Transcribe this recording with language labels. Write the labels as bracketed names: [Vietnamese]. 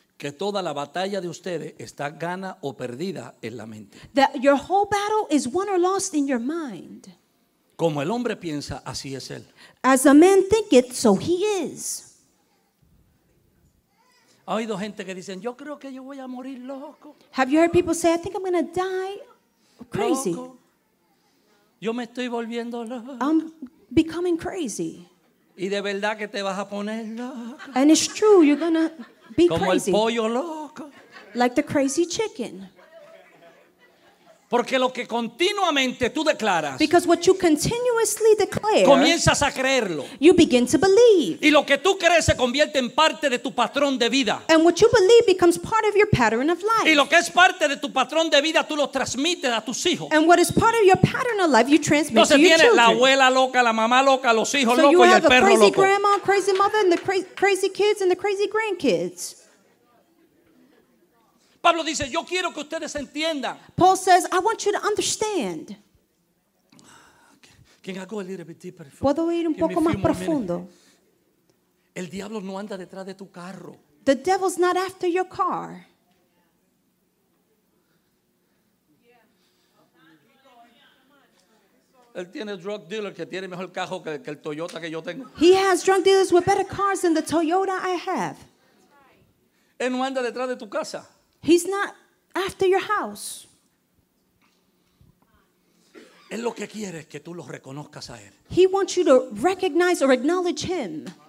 [Spanish] que toda la batalla de ustedes está gana o perdida en la mente. [English] That your whole battle is won or lost in your mind. [Spanish] Como el hombre piensa, así es él. [English] As a man thinketh, so he is. [Spanish] ¿Ha oído gente que dicen, yo creo que yo voy a morir loco? [English] Have you heard people say, I think I'm going to die crazy. [Spanish] Loco. Yo me estoy volviendo loco. [English] I'm becoming crazy. [Spanish] Y de verdad que te vas a poner loco. [English] And it's true, you're gonna be [Spanish] como [English] crazy. [Spanish] El pollo loco. [English] Like the crazy chicken. [Spanish] Porque lo que continuamente tú declaras, [English] because what you continuously declare, [Spanish] comienzas a creerlo. [English] You begin to believe. [Spanish] Y lo que tú crees se convierte en parte de tu patrón de vida. [English] And what you believe becomes part of your pattern of life. [Spanish] Y lo que es parte de tu patrón de vida tú lo transmites a tus hijos. [English] And what is part of your pattern of life you transmit [Spanish] entonces, [English] to your children. [Spanish] Entonces tienes la abuela loca, la mamá loca, los hijos [English] so [Spanish] locos [English] you have [Spanish] y el perro [English] crazy [Spanish] loco. [English] Grandma, crazy mother, and the crazy kids and the crazy grandkids. [Spanish] Pablo dice, yo quiero que ustedes entiendan. [English] Paul says, I want you to understand. Can I go a little bit deeper? [Spanish] ¿Puedo ir un poco más profundo? El diablo no anda detrás de tu carro. [English] The devil's not after your car. [Spanish] Él tiene [English] drug dealers [Spanish] que tiene mejor carro que el Toyota que yo tengo. [English] He has drug dealers with better cars than the Toyota I have. [Spanish] Él no anda detrás de tu casa. [English] He's not after your house. [Spanish] Él lo que quiere es que tú lo reconozcas a él. [English] He wants you to recognize or acknowledge him.